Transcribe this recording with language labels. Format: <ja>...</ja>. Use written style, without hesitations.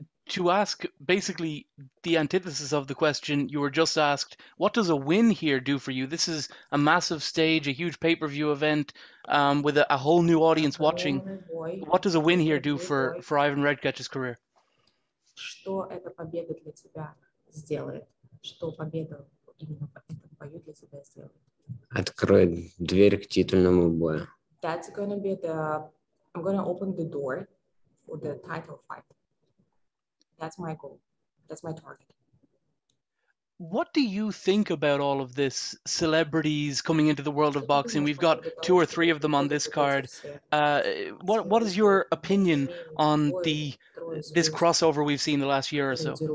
<en>To ask basically the antithesis of the question you were just asked, what does a win here do for you? This is a massive stage, a huge pay-per-view event with a whole new audience watching. What does a win here do for Ivan Redkach's career?</en> <ru>Что эта победа для тебя сделает? Что победа именно в этом бою для тебя сделает? Откроет дверь к титульному бою.</ru> <en>That's going to be the... I'm going to open the door for the title fight. That's my goal. That's my target. What do you think about all of this celebrities coming into the world of boxing? We've got two or three of them on this card. What is your opinion on the this crossover we've seen the last year or so?</en>